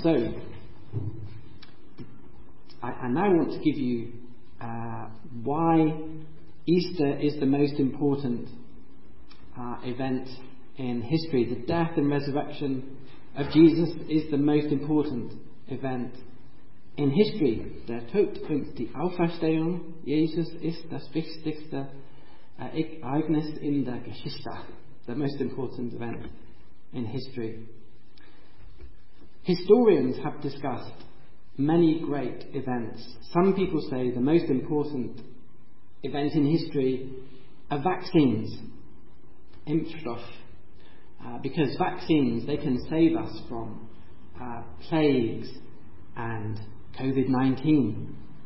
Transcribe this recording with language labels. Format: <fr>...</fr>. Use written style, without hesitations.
<en>So I now want to give you why Easter is the most important event in history. The death and resurrection of Jesus is the most important event in history.</en> <de>Der Tod und die Auferstehung Jesus ist das wichtigste Ereignis in der Geschichte.</de> <en>The most important event in history. Historians have discussed many great events. Some people say the most important event in history are vaccines, Impfstoff, because vaccines, they can save us from plagues and COVID-19.</en>